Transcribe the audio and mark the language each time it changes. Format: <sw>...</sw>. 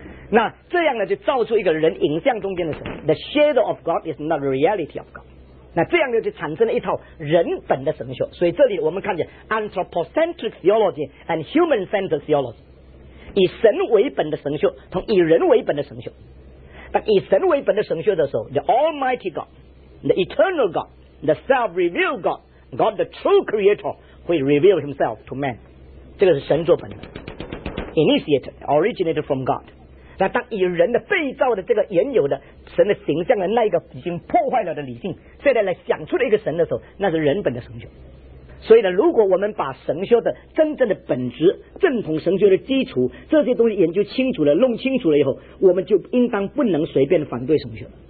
<zh>那这样呢就造出一个人影像中间的神。</zh> <en>the shadow of God is not the reality of God。</en> <zh>那这样呢就产生了一套人本的神学。所以这里我们看见 anthropocentric theology and human centered theology，以神为本的神学同以人为本的神学。</zh> <en>但以神为本的神学的时候， the almighty God， the eternal God， the self-revealed GodGod the true creator will reveal himself to man，这个是神作本的 initiated originated from God。</en> <zh>那当以人的被造的这个原有的神的形象的那一个已经破坏了的理性现在来想出了一个神的时候，那是人本的神学。所以呢，如果我们把神学的真正的本质，正统神学的基础，这些东西研究清楚了，弄清楚了以后，我们就应当不能随便反对神学。</zh>